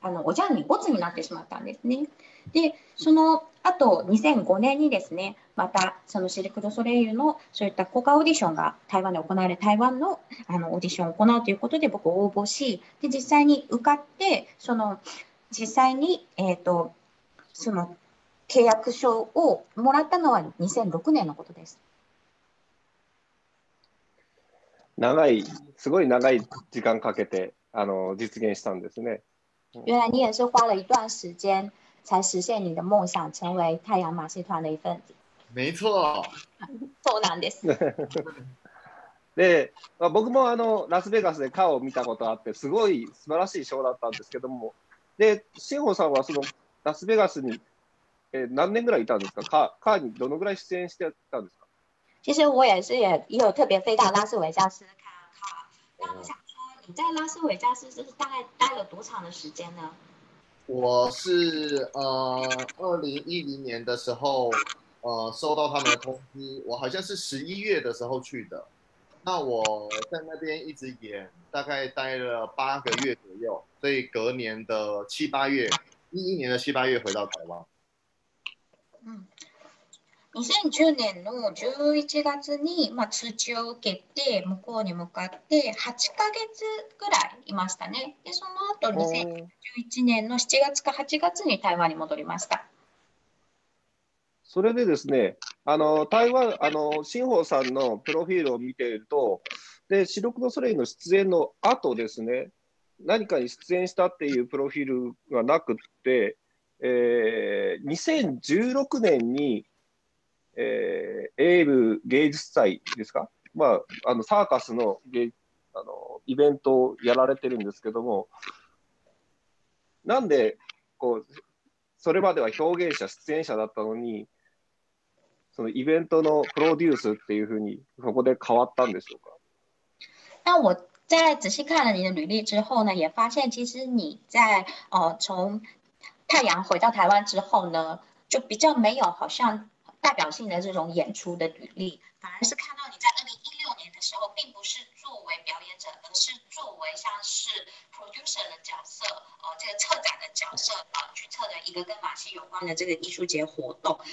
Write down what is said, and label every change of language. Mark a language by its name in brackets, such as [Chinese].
[Japanese] おじゃんにボツになってしまったんですね。でそのあと2005年にですね、またそのシルク・ドゥ・ソレイユのそういった国家オーディションが台湾で行われ、台湾 の, オーディションを行うということで僕を応募し、で実際に受かって、その実際に、その契約書をもらったのは2006年のことです。長い、すごい長い時間かけて実現したんですね。 [Chinese] 原来你也是花了一段时间才实现你的梦想，成为太阳马戏团的一份子。没错， [Japanese] そうなんです。で、まあ、僕もラスベガスでカオを見たことあって、すごい素晴らしいショーだったんですけども、で、シンホさんはそのラスベガスに、何年ぐらいいたんですか？カーにどのぐらい出演してたんですか？ [Chinese] 其实我也是也有特别飞到拉斯维加斯看卡。那我想说，你在拉斯维加斯就是大概待了多长的时间呢？我是2010年的时候收到他们的通知，我好像是11月的时候去的，那我在那边一直演，大概待了八个月左右，所以隔年的七八月，11年的七八月回到台湾。嗯， [Japanese] 2010年の11月に、まあ、通知を受けて向こうに向かって8ヶ月ぐらいいましたね。でその後2011年の7月か8月に台湾に戻りました。それでですね、台湾、新宝さんのプロフィールを見ていると、でシルク・ドゥ・ソレイユの出演の後ですね、何かに出演したっていうプロフィールがなくって、2016年にエール芸術祭ですか、まあ、サーカス の, イベントをやられてるんですけども、なんでこうそれまでは表現者出演者だったのに、そのイベントのプロデュースっていう風にそこで変わったんでしょうか。 [Chinese] 那我在仔细看了你的履历之后呢，也发现其实你在从太阳回到台湾之后呢，就比较没有好像代表性的这种演出的履历，反而是看到你在2016年的时候并不是作为表演者，而是作为像是 producer 的角色，这个策展的角色，去策的一个跟马戏有关的这个艺术节活动。